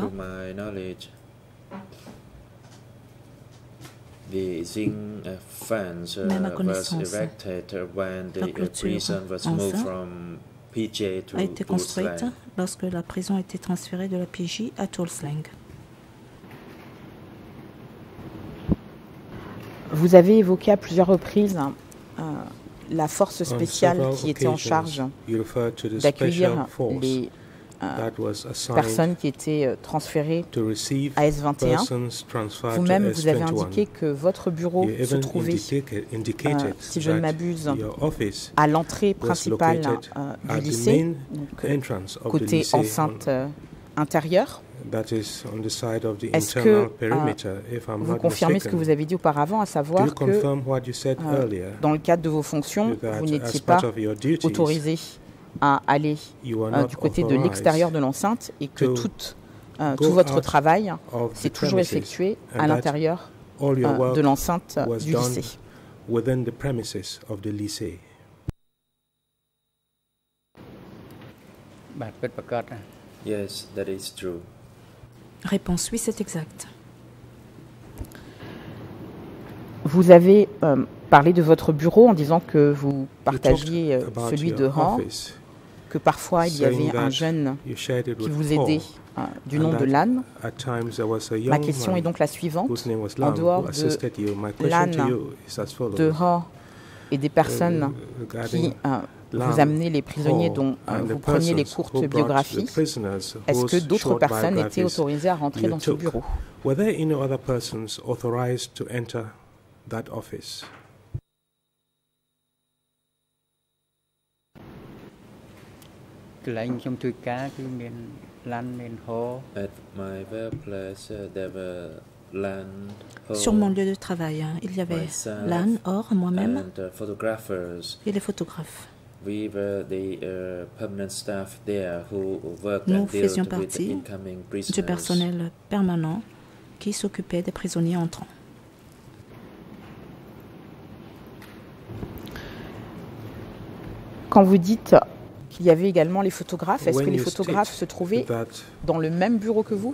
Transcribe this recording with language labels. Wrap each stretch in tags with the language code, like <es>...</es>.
<en>To my knowledge, the zinc fence was erected when the prison was moved from PJ to</en> <fr>a été construite lorsque la prison a été transférée de la PJ à Tulslang. Vous avez évoqué à plusieurs reprises la force spéciale qui était en charge d'accueillir les personnes qui étaient transférées à S21. Vous-même, vous avez indiqué que votre bureau se trouvait, si je ne m'abuse, à l'entrée principale du lycée, donc, côté enceinte intérieure.</fr> <en>That is on the side of the internal perimeter, if I'm</en> <fr>vous confirmez ce que vous avez dit auparavant, à savoir que dans le cadre de vos fonctions, vous n'étiez pas autorisé à aller du côté de l'extérieur de l'enceinte et que tout votre travail s'est toujours effectué à l'intérieur de l'enceinte du lycée.</fr> <en>Within the premises of the lycée. Yes, that is true.</en> <fr>Réponse, oui, c'est exact. Vous avez parlé de votre bureau en disant que vous partagiez celui de Han, que parfois il y avait un jeune qui vous aidait du nom de Lan. Ma question est donc la suivante. En dehors de Lan, de Han et des personnes qui vous amenez les prisonniers dont vous preniez les courtes biographies. Est-ce que d'autres personnes étaient autorisées à rentrer dans ce bureau?</fr> <en>Were there any other persons authorized to enter that office? At my workplace, there were Lan, Ho,</en> <fr>sur mon lieu de travail, il y avait Lan, Or, moi-même, et les photographes.</fr> <en>We were the permanent staff there who worked and dealt with the incoming prisoners.</en> <fr>Du personnel permanent qui s'occupait des prisonniers entrants. Quand vous dites qu'il y avait également les photographes, est-ce que les photographes se trouvaient dans le même bureau que vous?</fr>